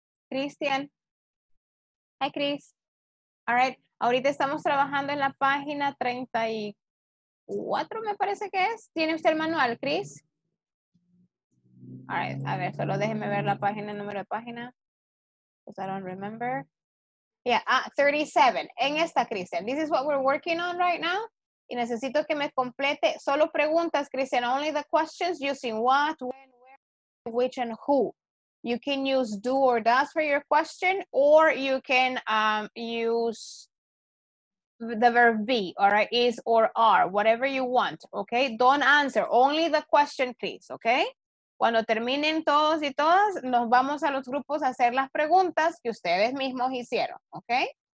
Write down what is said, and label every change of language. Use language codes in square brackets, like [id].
[en] Cristian. Hi, Chris. All right. [es] Ahorita estamos trabajando en la página 34, me parece que es. ¿Tiene usted el manual, Chris? [en] All right. [es] A ver, solo déjeme ver la página, el número de página. [en] Because I don't remember. Yeah, 37. [es] En esta, [en] Cristian. This is what we're working on right now. [es] Y necesito que me complete. Solo preguntas, [en] Cristian. Only the questions using what, when, where, which, and who. You can use do or does for your question, or you can use the verb be, all right, is or are, whatever you want, okay? Don't answer, only the question, please, okay? [es] Cuando terminen todos y todas, nos vamos a los grupos a hacer las preguntas que ustedes mismos hicieron, okay?